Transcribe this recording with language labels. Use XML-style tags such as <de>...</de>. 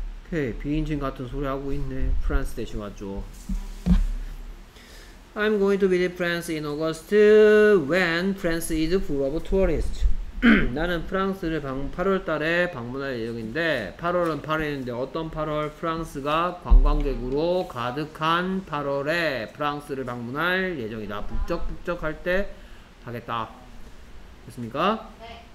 <ko>오케이. 비인칭 같은 소리 하고 있네. 프랑스 대신 왔죠.</ko> <en>I'm going to visit France in August when France is full of tourists.</en> <ko>나는 프랑스를 8월 달에 방문할 예정인데 8월은 8월인데 어떤 8월? 프랑스가 관광객으로 가득한 8월에 프랑스를 방문할 예정이다. 북적북적 할 때 하겠다. 됐습니까? 네.</ko>